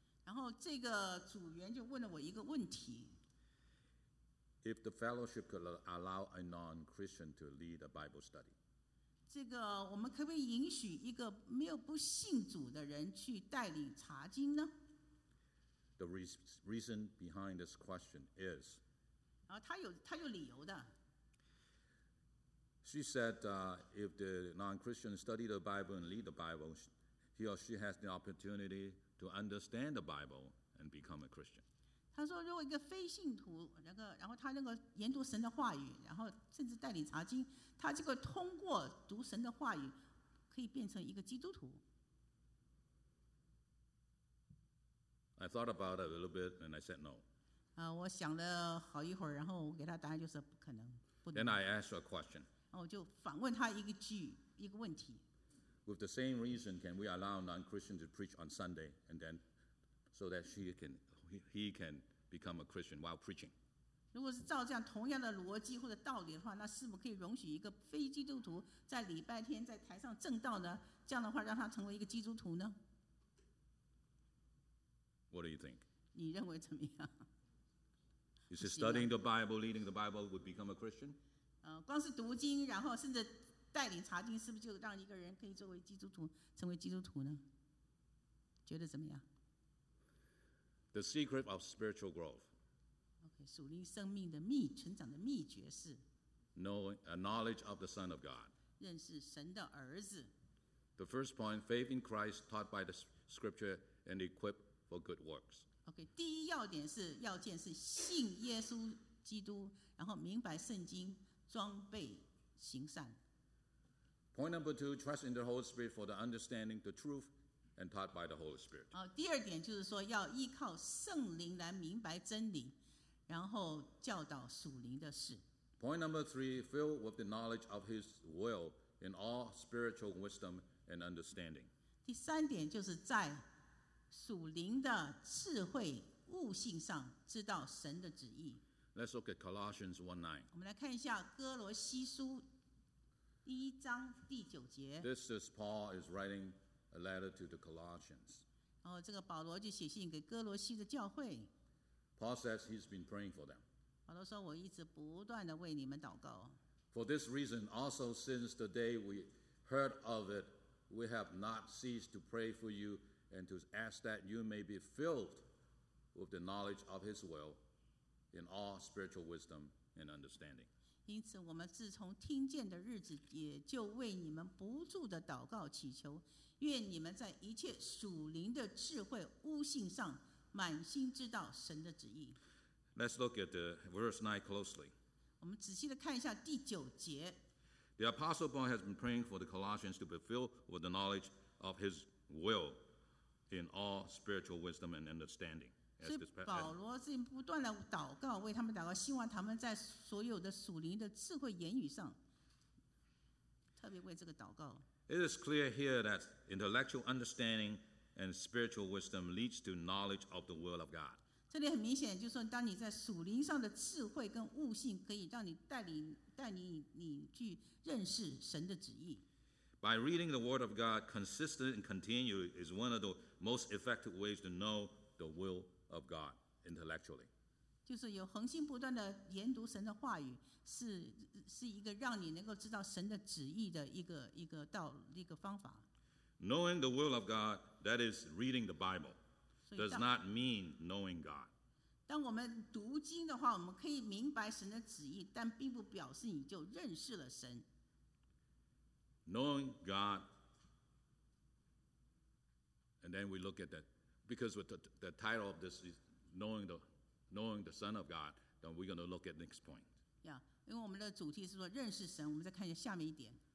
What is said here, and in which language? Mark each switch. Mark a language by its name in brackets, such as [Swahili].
[Chinese] 然后这个组员就问了我一个问题。 [English] If the fellowship could allow a non-Christian to lead a Bible study, [Chinese] 这个我们可不可以允许一个没有不信主的人去带领查经呢？ [English] The reason behind this question is, [Chinese] 然后他有理由的。 [English] She said, if the non-Christian study the Bible and lead the Bible, he or she has the opportunity. To understand the Bible and become a Christian. [Chinese] 他说，如果一个非信徒，然后他能够研读神的话语，然后甚至带领查经，他这个通过读神的话语，可以变成一个基督徒。 [English] I thought about it a little bit and I said no. [Chinese] 我想了好一会儿，然后我给他答案就是不可能。 [English] Then I asked a question. [Chinese] 然后我就反问他一个问题。 [English] With the same reason, can we allow non-Christians to preach on Sunday and then so that he can become a Christian while preaching? [Chinese] 如果是照这样同样的逻辑或者道理的话，那是否可以容许一个非基督徒在礼拜天在台上证道呢？这样的话，让他成为一个基督徒呢？ [English] What do you think? [Chinese] 你认为怎么样？ [English] Is he studying the Bible, leading the Bible would become a Christian? [Chinese] 光是读经，然后甚至带领查经，是不是就让一个人可以作为基督徒，成为基督徒呢？觉得怎么样？ [English] The secret of spiritual growth. [Chinese] Okay, 属灵生命的秘，成长的秘诀是 [English] a knowledge of the Son of God. [Chinese] 认识神的儿子。 [English] The first point, faith in Christ taught by the scripture and equipped for good works. [Chinese] Okay, 第一要点是，要件是信耶稣基督，然后明白圣经，装备行善。 [English] Point number two, trust in the Holy Spirit for the understanding, the truth, and taught by the Holy Spirit. [Chinese] 第二点就是说要依靠圣灵来明白真理，然后教导属灵的事。 [English] Point number three, filled with the knowledge of His will in all spiritual wisdom and understanding. [Chinese] 第三点就是在属灵的智慧悟性上知道神的旨意。 [English] Let's look at Colossians 1:9. [Chinese] 我们来看一下哥罗西书。第一章第九节。 [English] This is Paul is writing a letter to the Colossians. [Chinese] 然后这个保罗就写信给哥罗西的教会。 [English] Paul says he's been praying for them. [Chinese] 保罗说我一直不断地为你们祷告。 [English] For this reason, also since the day we heard of it, we have not ceased to pray for you and to ask that you may be filled with the knowledge of His will in all spiritual wisdom and understanding. [Chinese] 因此我们自从听见的日子也就为你们不住的祷告祈求，愿你们在一切属灵的智慧悟性上满心知道神的旨意。 [English] Let's look at the verse 9 closely. [Chinese] 我们仔细的看一下第九节。 [English] The Apostle Paul has been praying for the Colossians to be filled with the knowledge of his will in all spiritual wisdom and understanding. [Chinese] 所以保罗是不断的祷告，为他们祷告，希望他们在所有的属灵的智慧言语上，特别为这个祷告。 [English] It is clear here that intellectual understanding and spiritual wisdom leads to knowledge of the will of God. [Chinese] 这里很明显，就是说，当你在属灵上的智慧跟悟性，可以让你带领你去认识神的旨意。 [English] By reading the Word of God consistently and continually is one of the most effective ways to know the will of God intellectually. [Chinese] 就是有恒心不断的研读神的话语，是一个让你能够知道神的旨意的一个方法。 [English] Knowing the will of God, that is reading the Bible, does not mean knowing God. [Chinese] 当我们读经的话，我们可以明白神的旨意，但并不表示你就认识了神。 [English] Knowing God, and then we look at that, because with the title of this is knowing the Son of God, then we're going to look at the next point. [Chinese] Yeah, 因为我们的主题是说认识神，我们再看一下下面一点。